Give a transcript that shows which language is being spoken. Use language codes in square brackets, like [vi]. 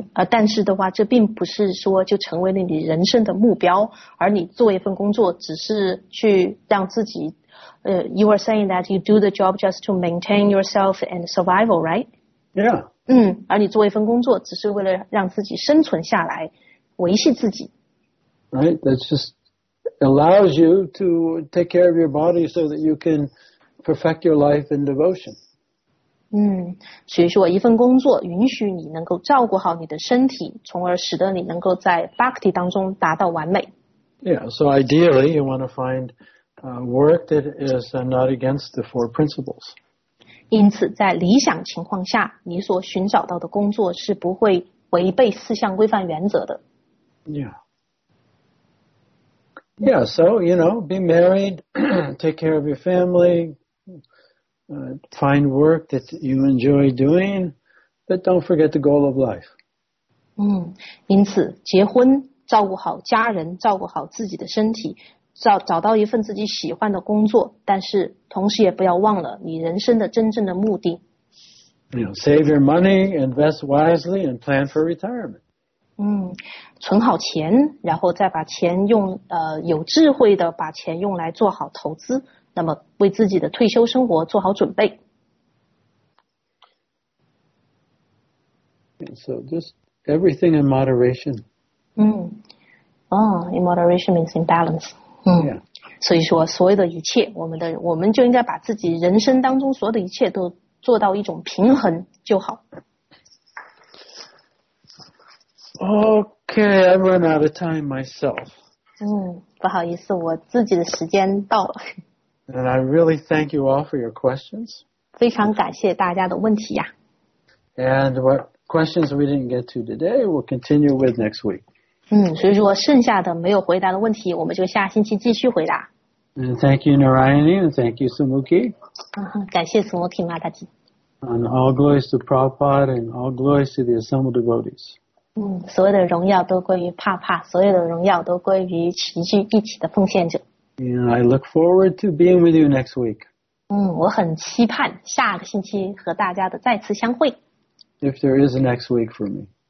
[zh] 但是的话，这并不是说就成为了你人生的目标，而你做一份工作，只是去让自己。 [en] You are saying that you do the job just to maintain yourself and survival, right? Yeah. [zh] 而你做一份工作，只是为了让自己生存下来，维系自己。 [en] Right, that just allows you to take care of your body so that you can perfect your life in devotion. [zh] 所以说一份工作允许你能够照顾好你的身体，从而使得你能够在 bhakti 当中达到完美。 [en] Yeah, so ideally you want to find work that is not against the four principles. [zh] 因此在理想情况下，你所寻找到的工作是不会违背四项规范原则的。 [en] Yeah, so, you know, be married, take care of your family, find work that you enjoy doing, but don't forget the goal of life. [zh] 因此结婚，照顾好家人，照顾好自己的身体，找到一份自己喜欢的工作，但是同时也不要忘了你人生的真正的目的。 [en] You know, save your money, invest wisely, and plan for retirement. [zh] 存好钱，然后再把钱用有智慧的把钱用来做好投资，那么为自己的退休生活做好准备。 [en] So just everything in moderation. In moderation means in balance. Yeah. [zh] 所以说所有的一切，我们就应该把自己人生当中所有的一切都做到一种平衡就好。 [en] Okay, I run out of time myself. [zh] 不好意思，我自己的时间到了。 [en] And I really thank you all for your questions. [zh] 非常感谢大家的问题呀。 [en] And what questions we didn't get to today, we'll continue with next week. [zh] 所以说剩下的没有回答的问题，我们就下星期继续回答。 [en] And thank you, Narayani, and thank you, Sumuki. [zh] 感谢 Sumuki Mataji. [en] And all glories to Prabhupada and all glories to the assembled devotees. [zh] 所有的荣耀都归于帕帕，所有的荣耀都归于齐聚一起的奉献者。 [en] And I look forward to being with you next week. [zh] 我很期盼下个星期和大家的再次相会。 [en] If there is a next week for me.